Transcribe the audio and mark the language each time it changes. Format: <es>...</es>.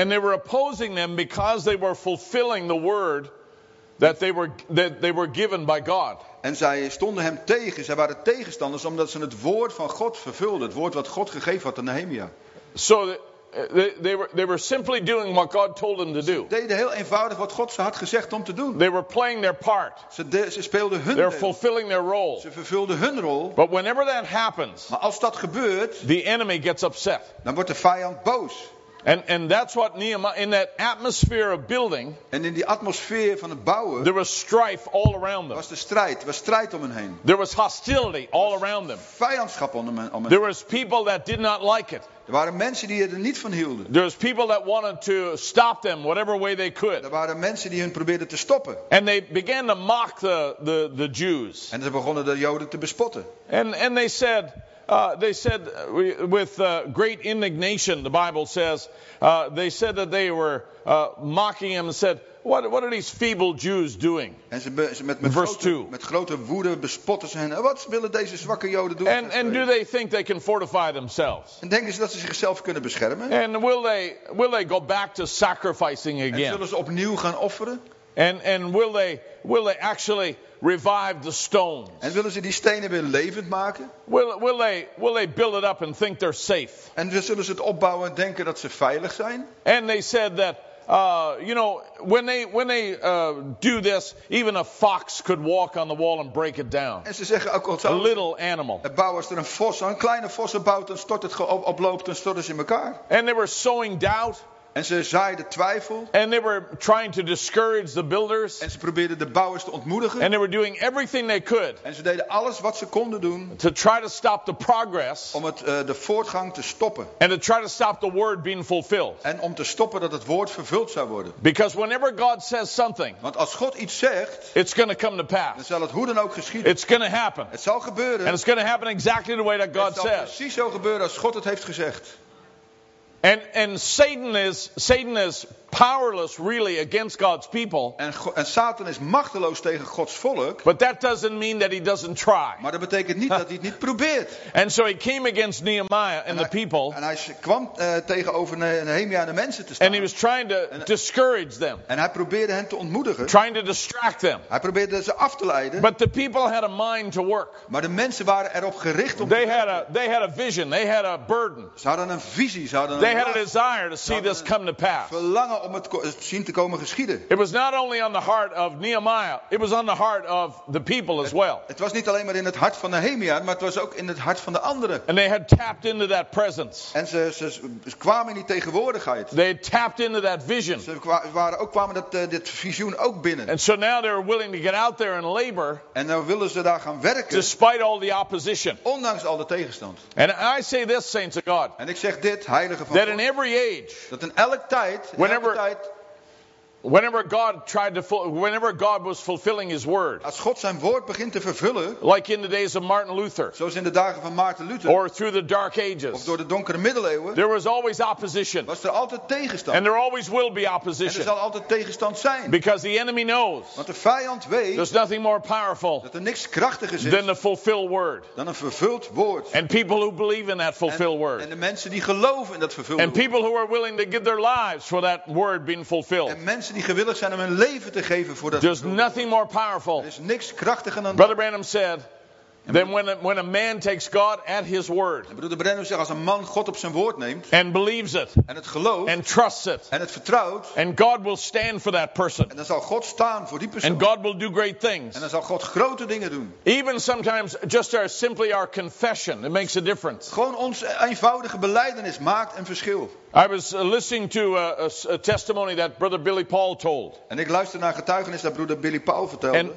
<en>And they were opposing them because they were fulfilling the word that they were given by God.</en> <nl>En zij stonden hem tegen. Zij waren tegenstanders omdat ze het woord van God vervulden. Het woord wat God gegeven had aan Nehemia.</nl> <en>So they were simply doing what God told them to do.</en> <nl>Ze deden heel eenvoudig wat God ze had gezegd om te doen.</nl> <en>They were playing their part.</en> <nl>Ze speelden hun rol.</nl> <en>They're fulfilling their role.</en> <nl>Ze vervulden hun rol.</nl> <en>But whenever that happens,</en> <nl>maar als dat gebeurt,</nl> <en>the enemy gets upset.</en> <nl>Dan wordt de vijand boos.</nl> <en>And that's what Nehemiah, in that atmosphere of building,</en> <nl>en in die atmosfeer van het bouwen,</nl> <en>there was strife all around them.</en> <nl>Was de strijd, was strijd om hen heen.</nl> <en>There was hostility all around them.</en> <nl>Vijandschap om hen heen.</nl> <en>There was people that did not like it.</en> <nl>Er waren mensen die er niet van hielden.</nl> <en>There was people that wanted to stop them whatever way they could.</en> <nl>Er waren mensen die hun probeerden te stoppen.</nl> <en>And they began to mock the Jews.</en> <nl>En ze begonnen de Joden te bespotten.</nl> <en>And they said, They said with great indignation, the Bible says, they said that they were mocking him and said, what are these feeble Jews doing?</en> <nl>En ze met grote woede bespotten ze hen. Wat willen deze zwakke Joden doen?</nl> <en>And do they think they can fortify themselves?</en> <nl>En denken ze dat ze zichzelf kunnen beschermen?</nl> <en>And will they go back to sacrificing again?</en> <nl>En zullen ze opnieuw gaan offeren?</nl> <en>And will they actually revive the stones?</en> <nl>En willen ze die stenen weer levend maken?</nl> <en>Will they build it up and think they're safe?</en> <nl>En zullen ze het opbouwen en denken dat ze veilig zijn?</nl> <en>And they said that when they do this, even a fox could walk on the wall and break it down.</en> <nl>En ze zeggen ook al zo.</nl> <en>A little animal.</en> <nl>Er bouwen ze een vos, een kleine vos erbouwt en stort het oploopt en stort het in elkaar.</nl> <en>And they were sowing doubt.</en> <nl>En ze zaaiden twijfel.</nl> <en>And they were trying to discourage the builders.</en> <nl>En ze probeerden de bouwers te ontmoedigen.</nl> <en>And they were doing everything they could.</en> <nl>En ze deden alles wat ze konden doen.</nl> <en>To try to stop the progress.</en> <nl>Om het de voortgang te stoppen.</nl> <en>And to try to stop the word being fulfilled.</en> <nl>En om te stoppen dat het woord vervuld zou worden.</nl> <en>Because whenever God says something.</en> <nl>Want als God iets zegt.</nl> <en>It's going to come to pass.</en> <nl>Dan zal het hoe dan ook geschieden.</nl> <en>It's going to happen.</en> <nl>Het zal gebeuren.</nl> <en>And it's going to happen exactly the way that God says.</en> <nl>Het zal precies zo gebeuren als God het heeft gezegd.</nl> <en>And Satan is powerless really against God's people.</en> <nl>En Satan is machteloos tegen Gods volk.</nl> <en>But that doesn't mean that he doesn't try.</en> <nl>Maar dat betekent niet dat hij het niet probeert.</nl> <en>And so he came against Nehemiah and the people.</en> <nl>En hij kwam tegenover Nehemia en de mensen te staan.</nl> <en>And he was trying to discourage them.</en> <nl>En hij probeerde hen te ontmoedigen.</nl> <en>Trying to distract them.</en> <nl>Hij probeerde ze af te leiden.</nl> <en>But the people had a mind to work.</en> <nl>Maar de mensen waren erop gericht om</nl> <en>they had a vision, they had a burden.</en> <nl>Ze hadden een visie, ze hadden</nl> <en>They had a desire to see this come to pass.</en> <nl>Verlangen om het zien te komen geschieden.</nl> <en>It was not only on the heart of Nehemiah, it was on the heart of the people as well.</en> <nl>Het was niet alleen maar in het hart van Nehemia, maar het was ook in het hart van de anderen.</nl> <en>And they had tapped into that presence.</en> <nl>En ze kwamen in die tegenwoordigheid.</nl> <en>They had tapped into that vision.</en> <nl>Ze kwamen dat visioen ook binnen.</nl> <en>And so now they're willing to get out there and labor.</en> <nl>En nou willen ze daar gaan werken.</nl> <en>Despite all the opposition.</en> <nl>Ondanks al de tegenstand.</nl> <en>And I say this, saints of God.</en> <nl>En ik zeg dit, heilige van</nl> <en>That in every age,</en> <nl>dat in elk tijd,</nl> <en>whenever God was fulfilling His word,</en> <nl>als God zijn woord begint te vervullen,</nl> <en>like in the days of Martin Luther,</en> <nl>zoals in de dagen van Martin Luther,</nl> <en>or through the dark ages,</en> <nl>of door de donkere middeleeuwen,</nl> <en>there was always opposition.</en> <nl>Was er altijd tegenstand,</nl> <en>and there always will be opposition.</en> <nl>En er zal altijd tegenstand zijn,</nl> <en>because the enemy knows.</en> <nl>Want de vijand weet.</nl> <en>There's nothing more powerful.</en> <nl>Dat er niks krachtiger is.</nl> <en>Than the fulfilled word.</en> <nl>Dan een vervuld woord.</nl> <en>And people who believe in that fulfilled word.</en> <nl>En de mensen die geloven in dat vervulde woord.</nl> <en>And people who are willing to give their lives for that word being fulfilled.</en> <nl>En mensen die gewillig zijn om hun leven te geven voor dat.</nl> <en>There's nothing more powerful.</en> <nl>Er is niks krachtiger dan.</nl> <en>Brother Branham said. Then when a man takes God at His word.</en> <nl>En broeder Branham zegt als een man God op zijn woord neemt.</nl> <en>And believes it.</en> <nl>En het gelooft.</nl> <en>And trusts it.</en> <nl>En het vertrouwt.</nl> <en>And God will stand for that person.</en> <nl>En dan zal God staan voor die persoon.</nl> <en>And God will do great things.</en> <nl>En dan zal God grote dingen doen.</nl> <en>Even sometimes just our simply our confession, it makes a difference.</en> <nl>Gewoon ons eenvoudige belijdenis maakt een verschil.</nl> <en>I was listening to a testimony that brother Billy Paul told.</en> <nl>En ik luister naar getuigenis dat broeder Billy Paul vertelde.</nl>